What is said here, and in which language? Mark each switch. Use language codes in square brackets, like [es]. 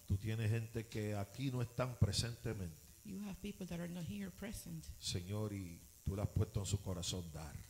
[es] Tú tienes gente que aquí no están presentemente. [en] You have people that are not here present. [es] Señor, y tú las has puesto en su corazón dar.